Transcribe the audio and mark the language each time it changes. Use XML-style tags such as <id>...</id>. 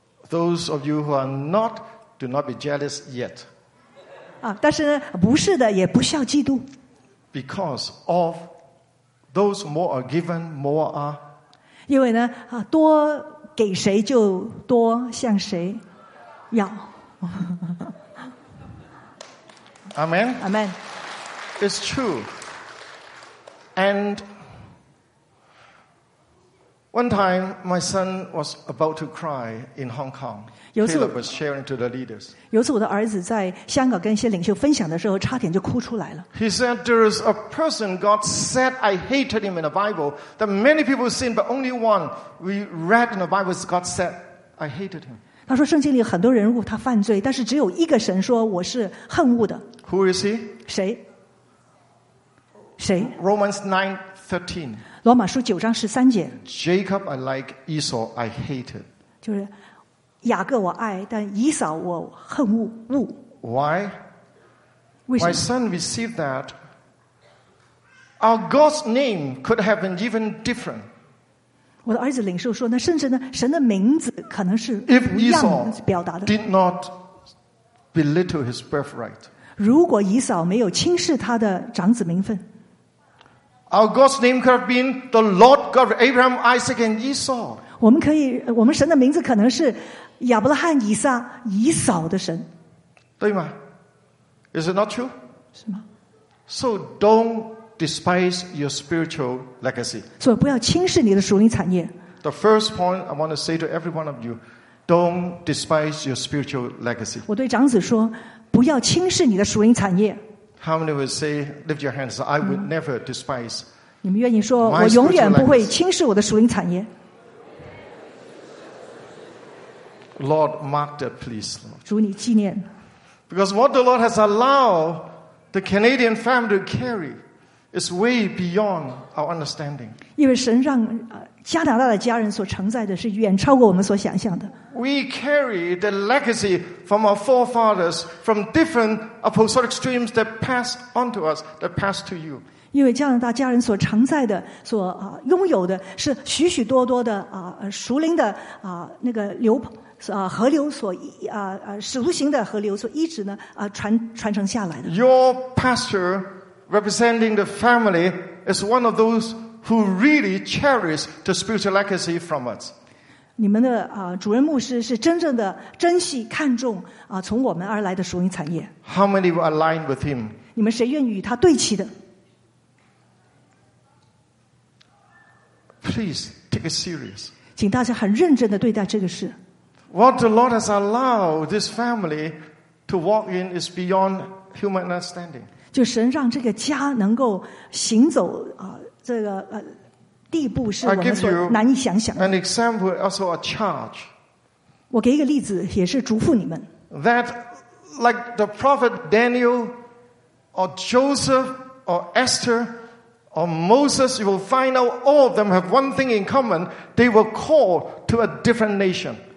<en>Those of you who are not, do not be jealous yet.</en> <zh>但是呢，不是的，也不需要嫉妒。</zh> <en>Because of those more are given, more are.</en> <zh>因为呢，多给谁就多向谁要。</zh> <en>Amen. Amen. It's true. And. One time, my son was about to cry in Hong Kong. Caleb was sharing to the leaders.</en> <zh>有次我的儿子在香港跟一些领袖分享的时候，差点就哭出来了。</zh> <en>He said, "There is a person God said I hated him in the Bible that many people seen, but only one we read in the Bible is God said I hated him."</en> <zh>他说圣经里很多人物他犯罪，但是只有一个神说我是恨恶的。</zh> <en>Who is he?</en> <zh>谁？谁</zh> <en>？Romans 9:13.</en> <zh>罗马书九章十三节</zh> <en>Jacob I like, Esau I hated.</en> <zh>就是雅各我爱，但以扫我恨恶。</zh> <en>Why?</en> <zh>为什么</zh> <en>My son received that. Our God's name could have been even different.</en> <zh>我的儿子领受说，那甚至呢，神的名字可能是不一样表达的。</zh> <en>If Esau did not belittle his birthright.</en> <zh>如果以扫没有轻视他的长子名分。</zh> <en>Our God's name could have been the Lord God of Abraham, Isaac, and Esau.</en> <zh>我们可以，我们神的名字可能是亚伯拉罕、以撒、以扫的神，对吗</zh> <en>？Is it not true?</en> <zh>是吗</zh> <en>？So don't despise your spiritual legacy.</en> <zh>所以不要轻视你的属灵产业。</zh> <en>The first point I want to say to every one of you: don't despise your spiritual legacy.</en> <zh>我对长子说，不要轻视你的属灵产业。</zh> <en>How many would say, lift your hands, I would never despise my spiritual</en> <zh>legacy. 你们愿意说我永远不会轻视我的属灵产业。</zh> <en>Lord, mark that, please.</en> <zh>主你纪念。</zh> <en>Because what the Lord has allowed the Canadian family to carry is way beyond our understanding.</en> <zh>因为神让加拿大的家人所承载的是远超过我们所想象的。</zh> <en>We carry the legacy from our forefathers from different apostolic streams that passed on to us, that passed to you.</en> <zh>因为加拿大家人所承载的所拥有的是许许多多的属灵的那个流河流所使徒行的河流所一直呢传承下来的。</zh> <en>Your pastor representing the family is one of thoseWho really cherish the spiritual legacy from us?</en> <zh>你们的主任牧师是真正的珍惜看重从我们而来的属灵产业。</zh> <en>How many will align with him?</en> <zh>你们谁愿意与他对齐的</zh> <en>？Please take it serious.</en> <zh>请大家很认真的对待这个事。</zh> <en>What the Lord has allowed this family to walk in is beyond human understanding.</en> <zh>就神让这个家能够行走这个地步是我们所难以想象的。</zh> <en>An example, also a charge.</en> <zh>我给一个例子，也是嘱咐你们。</zh> <en>That, like the prophet Daniel, or Joseph, or Esther, or Moses, you will find out all of them have one thing in common: they were called to a different nation.</en>